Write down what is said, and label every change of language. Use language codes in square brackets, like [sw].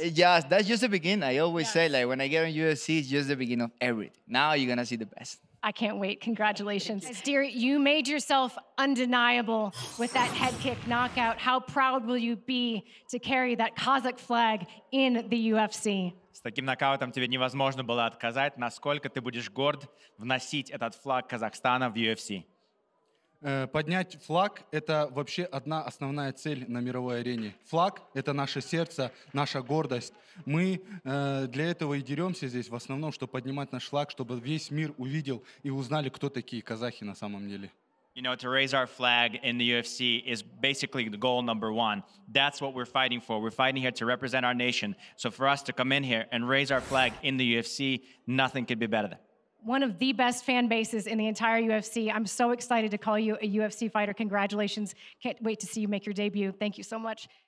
[en] Yes, that's just the beginning. I always say, like, when I get in UFC, it's just the beginning of everything. Now you're going to see the best. I can't wait. Congratulations. Dear, you made yourself undeniable with that head kick knockout. How proud will you be to carry that Kazakh flag in the UFC? [ru] С таким нокаутом тебе невозможно было отказать. Насколько ты будешь горд вносить этот флаг Казахстана в UFC? Поднять флаг – это вообще одна основная цель на мировой арене. Флаг – это наше сердце, наша гордость. Мы для этого и деремся здесь, в основном, чтобы поднимать наш флаг, чтобы весь мир увидел и узнали, кто такие казахи на самом деле. [en] You know, to raise our flag in the UFC is basically the goal number one. That's what we're fighting for. We're fighting here to represent our nation. So for us to come in here and raise our flag in the UFC, nothing could be better than. One of the best fan bases in the entire UFC. I'm so excited to call you a UFC fighter. Congratulations. Can't wait to see you make your debut. Thank you so much.